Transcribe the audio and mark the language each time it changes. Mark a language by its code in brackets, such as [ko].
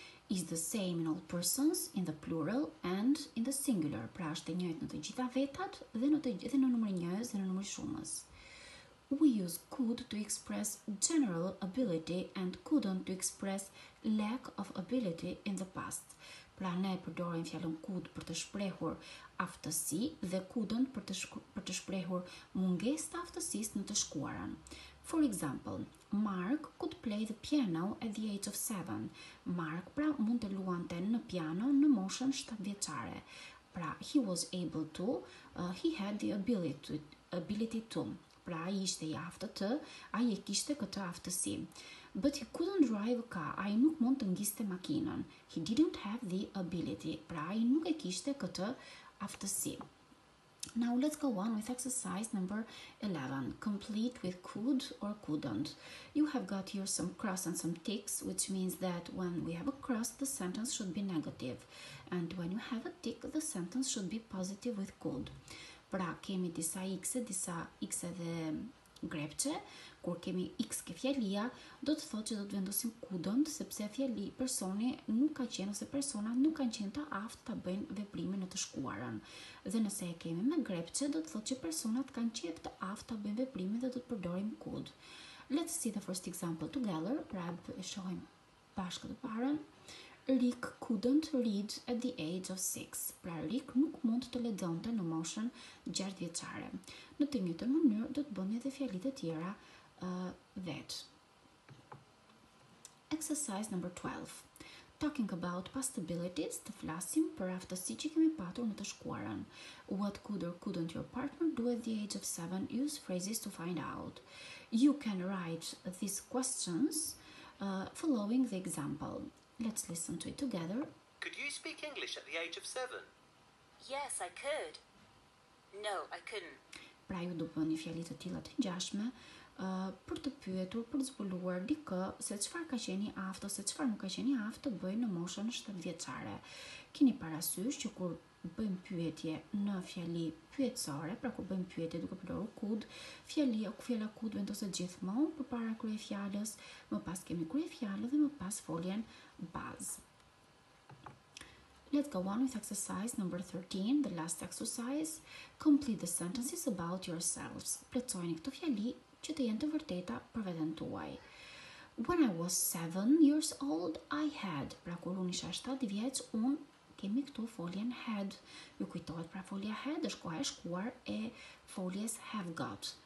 [en] Is the same in all persons in the plural and in the singular. [sq] Pra është e njëjtë në të gjitha vetat dhe në numrin njëjës dhe në numrin shumës. [en] We use could to express general ability and couldn't to express lack of ability in the past. [sq] Pra ne përdorim fjalën could për të shprehur aftësi dhe couldn't për të shprehur mungesë të aftësisë në të shkuarën. [en] For example, Mark could play the piano at the age of 7. [sq] Mark pra mund të luante në piano në moshën 7 vjeçare. [en] he was able to, he had the ability to. [sq] Pra ishte I aftë, ai e kishte këtë aftësi. [en] But he couldn't drive a car. [sq] Ai nuk mund të ngiste makinën. [en] He didn't have the ability. [sq] Pra ai nuk e kishte këtë aftësi. [en] Now let's go on with exercise number 11, complete with could or couldn't. You have got here some cross and some ticks, which means that when we have a cross, the sentence should be negative. And when you have a tick, the sentence should be positive with could. [sq] Pra kemi disa x, disa x edhe grepçe, kur kemi x ke fjalia, do të thotë që do të vendosim couldn't, sepse fjali personi nuk ka qenë ose persona nuk kanë qenë të aftë ta bëjnë veprimin në të shkuarën. Dhe nëse e kemi me grepçe, do të thotë që personat kanë qenë të aftë ta bëjnë veprimin dhe do të përdorim could. [en] Let's see the first example together, [sq] pra e shohim bashkë të parën. [en] Rick couldn't read at the age of 6. [sq] Pra Rick nuk mund të ledonte në moshën 6 vjeçare. Në të njëjtën mënyrë do të bëni edhe fjalitë tjera vetë. [en] Exercise number 12. Talking about past abilities, [sq] të flasim për aftësi që kemi patur në të shkuarën. [en] What could or couldn't your partner do at the age of 7? Use phrases to find out. You can write these questions following the example. Let's listen to it together. Could you speak English at the age of 7? Yes, I could. No, I couldn't. [sq] Pra ju do bëni fjali të tilla të ngjashme për të pyetur, për të zbuluar dikë se çfarë ka qenë aftë ose çfarë nuk ka qenë aftë të bëjë në moshën 7 vjeçare. Keni parasysh që kur bëjmë pyetje në fjali pyetësore, pra kur bëjmë pyetje duke përdorur could, fjali o fjala could vendoset gjithmonë përpara kryefjalës, më pas kemi kryefjalën dhe më pas foljen baz. [en] Let's go on with exercise number 13, the last exercise. Complete the sentences about yourselves. [sq] Plotësojeni këto fjali që të jenë të vërteta për veten tuaj. [en] When I was 7 years old, I had. [sq] Pra kur unë isha 7 vjeç, unë kemi këtu foljen had. Ju kujtohet pra folja had është koha e shkuar e foljes have got.